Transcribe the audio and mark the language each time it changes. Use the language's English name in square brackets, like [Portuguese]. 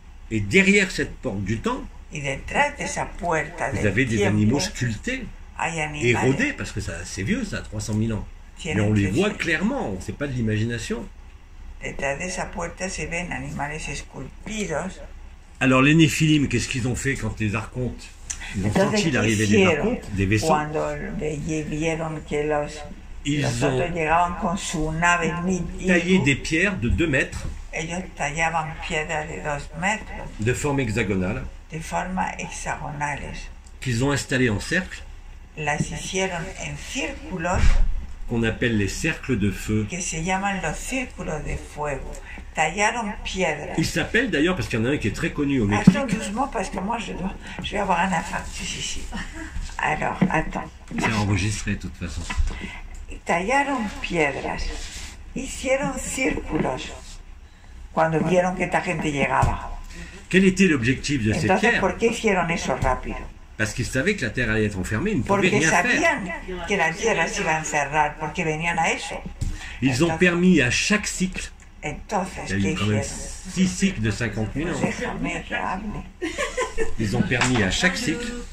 [French] Et derrière cette porte du temps. [Spanish] Y detrás de esa puerta [French] vous avez des animaux sculptés, [Spanish] animales, [French] érodés, parce que ça, c'est vieux ça, 300 000 ans. Mais on les voit clairement, ce n'est pas de l'imagination. [Spanish] Detrás de esa puerta se ven animales esculpidos. [French] Alors les Néphilim, qu'est-ce qu'ils ont fait quand les archontes, ils ont senti l'arrivée des archontes, des vaisseaux. [Spanish] Cuando vieron que los, [French] ils ont [Spanish] llegaban con su nave [French] taillé des pierres de 2 mètres. [Spanish] Ellos tallaban piedras de 2 metros. [French] De forme hexagonale. [Spanish] De forma hexagonales. [French] Qu'ils ont installé en cercle. [Spanish] Las hicieron en círculos. [French] Qu'on appelle les cercles de feu. [Spanish] Que se llaman los círculos de fuego. Tallaron piedras. [French] Il s'appelle d'ailleurs parce qu'il y en a un qui est très connu au Mexique. Attends doucement parce que moi je vais avoir un infarctus ici. Alors attends. C'est enregistré de toute façon. [Spanish] tallaron piedras, hicieron círculos cuando vieron que esta gente llegaba. [French] Quel était l'objectif de [Spanish] entonces, [French] ces pierres? [Spanish] ¿Por qué hicieron eso rápido? [French] Parce qu'ils savaient que la terre allait être enfermée, ne pouvaient rien faire. [Spanish] Porque sabían que la tierra se iba a encerrar, porque venían a eso. [French] Ils ont permis à chaque cycle. [Spanish] Entonces, [French] il y a eu quand même 6 cycles de 50 000 ans. Ils ont permis à chaque cycle.